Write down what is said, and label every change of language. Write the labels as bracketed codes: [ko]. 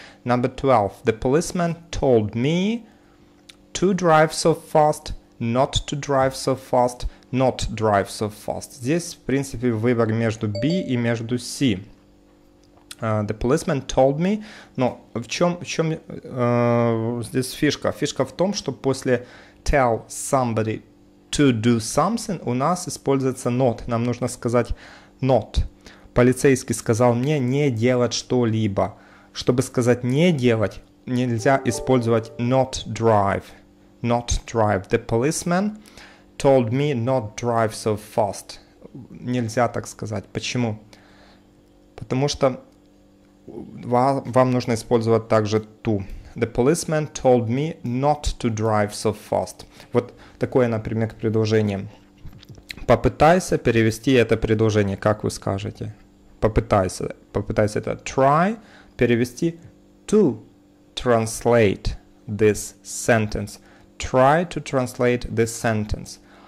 [en] Number 12, the policeman told me to drive so fast, not to drive so fast, not drive so fast. [ru] Здесь, в принципе, выбор между B и между C. [en] The policeman told me, [ru] но в чем здесь фишка? Фишка в том, что после [en] tell somebody to do something, [ru] у нас используется not. Нам нужно сказать not. Полицейский сказал мне не делать что-либо. Чтобы сказать не делать, нельзя использовать [en] not drive. Not drive. The policeman told me not drive so fast. [ru] Нельзя так сказать. Почему? Потому что вам нужно использовать также to. [en] The policeman told me not to drive so fast. [ru] Вот такое, например, предложение. Попытайся перевести это предложение, как вы скажете. Попытайся. Попытайся это try перевести [en] to translate this sentence. Try to translate this sentence.